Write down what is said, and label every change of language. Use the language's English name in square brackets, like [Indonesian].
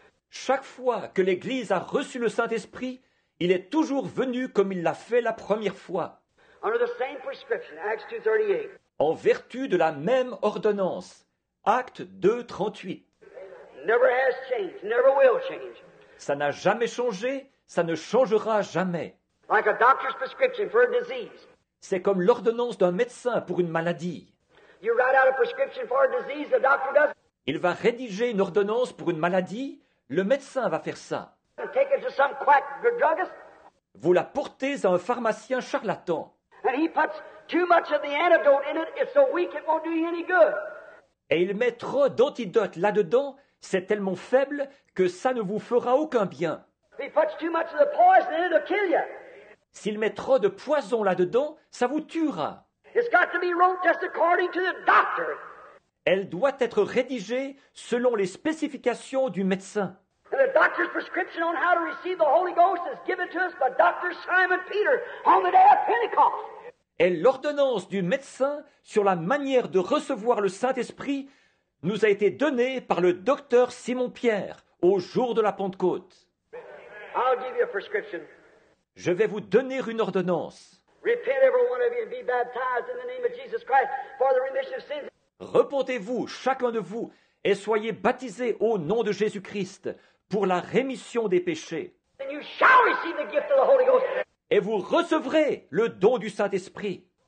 [French] Chaque fois que l'Église a reçu le Saint-Esprit, il est toujours venu comme il l'a fait la première fois. [English] Under the same prescription, Acts 2:38. [French] En vertu de la même ordonnance, Actes 2, 38. [English] Never has changed, never will change. [French] Ça n'a jamais changé, ça ne changera jamais. [English] Like a doctor's prescription for a disease. [French] C'est comme l'ordonnance d'un médecin pour une maladie. [English] You write out a prescription for a disease, the doctor does. [French] Il va rédiger une ordonnance pour une maladie, le médecin va faire ça. [English] And take it to some quack druggist. [French] Vous la portez à un pharmacien charlatan. [English] And he puts too much of the antidote in it, it's so weak it won't do you any good. [French] Et il met trop d'antidote là-dedans, c'est tellement faible que ça ne vous fera aucun bien. [English] If he puts too much of the poison in it, it'll kill you. [French] S'il met trop de poison là-dedans, ça vous tuera. [English] It's got to be wrote just according to the doctor. [French] Elle doit être rédigée selon les spécifications du médecin. [English] And the doctor's prescription on how to receive the Holy Ghost is given to us by Dr. Simon Peter on the day of Pentecost. [French] Et l'ordonnance du médecin sur la manière de recevoir le Saint-Esprit nous a été donnée par le docteur Simon-Pierre au jour de la Pentecôte. [English] I'll give you a prescription. [French] Je vais vous donner une ordonnance. [English] Repent, every one of you, and be baptized in the name of Jesus Christ for the remission of sins. [French] Repentez-vous, chacun de vous, et soyez baptisés au nom de Jésus-Christ pour la rémission des péchés. [English] And you shall receive the gift of the Holy Ghost. [French] Et vous recevrez le don du Saint-Esprit.